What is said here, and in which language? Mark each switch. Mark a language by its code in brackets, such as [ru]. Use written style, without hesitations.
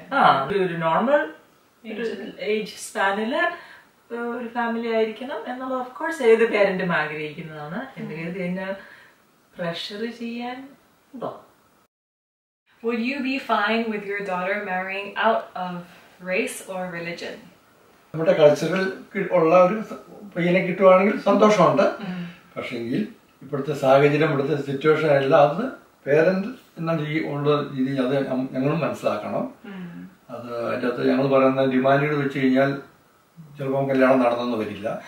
[ml] ആ ഒരു normal age സ്പാനില് ഒരു ഫാമിലി ആയിരിക്കണം എന്നുള്ള ഓഫ് കോഴ്സ് ഏത് പേരന്റും ആഗ്രഹിക്കുന്നതാണ്. എന്തെങ്കിലും എന്നെ പ്രഷർ ചെയ്യാൻ ഉണ്ടോ? [en] Would you be fine with your daughter marrying out of race or religion? [ml] നമ്മുടെ കൾച്ചറിൽ ഉള്ള ഒരു പയ്യനെ കിട്ടുവാണെങ്കിൽ സന്തോഷമുണ്ട്. പക്ഷേങ്കിൽ ഇപ്പോഴത്തെ സാഹചര്യം, ഇവിടുത്തെ സിറ്റുവേഷൻ എല്ലാം അത് പേരന്റ് എന്ന ഉള്ള രീതി അത് ഞങ്ങളും മനസ്സിലാക്കണം. അത് അതിൻ്റെ അകത്ത് ഞങ്ങൾ പറയുന്ന ഡിമാൻഡുകൾ വെച്ച് കഴിഞ്ഞാൽ ചിലപ്പോൾ കല്യാണം നടന്നൊന്നും വരില്ല.